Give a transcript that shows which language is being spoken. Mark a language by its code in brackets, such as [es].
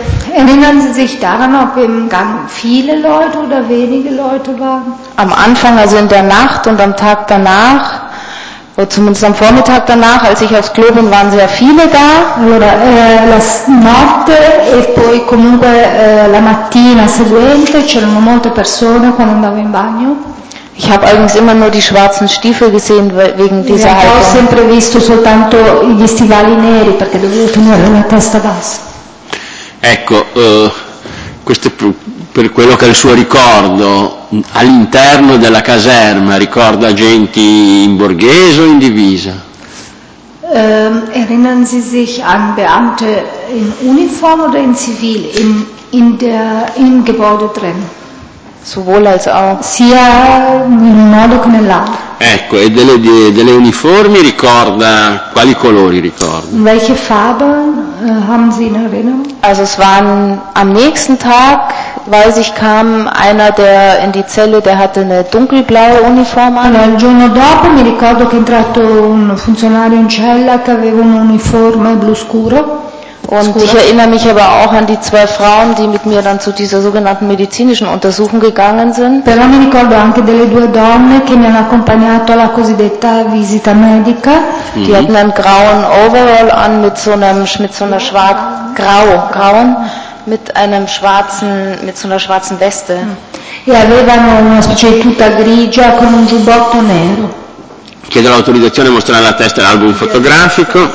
[de] Erinnern Sie sich daran, ob im Gang viele Leute oder wenige Leute waren? Am Anfang, also in der Nacht und am Tag danach, oder zumindest am Vormittag danach, als ich aufs Klo bin, waren sehr viele da. [it] Allora, la notte e poi comunque la mattina seguente c'erano molte persone quando andavo in bagno. [de] Ich habe allerdings immer nur die schwarzen Stiefel gesehen wegen dieser Haltung. [it] Ho sempre visto soltanto gli stivali neri perché dovevo tenere la testa bassa. Ecco, questo è per quello che è il suo ricordo. All'interno della caserma ricorda agenti in borghese o in divisa? [de] Erinnern Sie sich an Beamte in Uniform oder in Zivil im Gebäude drin? Sowohl als auch. [it] Sia in un modo che nell'altro. Ecco, e delle uniformi ricorda, quali colori ricorda? [de] Welche Farbe haben Sie in Erinnerung? Also es waren, am nächsten Tag, weiß ich, kam einer der in die Zelle, der hatte eine dunkelblaue Uniform an. [it] Allora, il giorno dopo mi ricordo che è entrato un funzionario in cella che aveva un uniforme blu scuro. [de] Und ich erinnere mich aber auch an die zwei Frauen, die mit mir dann zu dieser sogenannten medizinischen Untersuchung gegangen sind. [it] Però mi ricordo anche delle due donne che mi hanno accompagnato alla cosiddetta visita medica. [de] Die hatten einen grauen Overall an mit so einer schwarzen Weste. [it] E avevano una specie di tuta grigia con un giubbotto nero. Chiedo l'autorizzazione a mostrare la testa all'album fotografico.